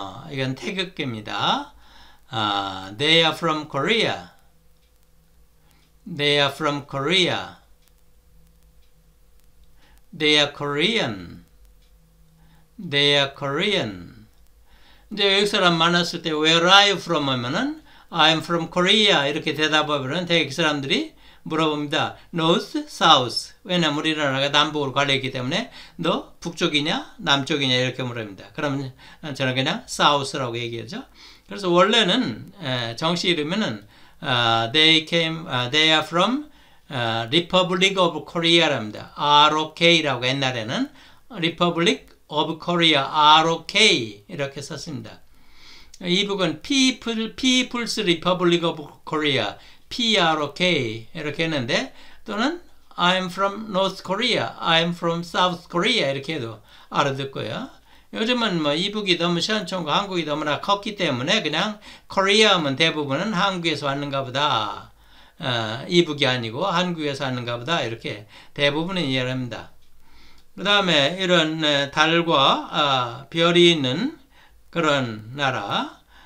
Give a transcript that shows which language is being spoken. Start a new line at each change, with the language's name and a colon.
Korean: 이건 태극기입니다.
English: They are from Korea. They are from Korea. They are Korean. They are Korean.
Korean: 이제 외국 사람 만났을 때
English: Where are you from?
Korean: 하면은
English: I'm from Korea.
Korean: 이렇게 대답하면 대개 그 사람들이 물어봅니다.
English: North, South.
Korean: 왜냐면 우리나라가 남북으로 갈려있기 때문에 너 북쪽이냐 남쪽이냐 이렇게 물어봅니다. 그러면 저는 그냥 South라고 얘기하죠. 그래서 원래는 정식 이름은
English: they are from Republic of Korea
Korean: 랍니다. ROK라고 옛날에는 Republic of Korea, ROK 이렇게 썼습니다. 이북은
English: People's Republic of Korea, PROK
Korean: 이렇게 했는데 또는
English: I'm from North Korea, I'm from South Korea
Korean: 이렇게 해도 알아듣고요. 요즘은 뭐 이북이 너무 시원총과 한국이 너무나 컸기 때문에 그냥 Korea 하면 대부분은 한국에서 왔는가 보다. 이북이 아니고 한국에서 왔는가 보다 이렇게 대부분은 이해를 합니다. 그 다음에 이런 달과 별이 있는 그런 나라.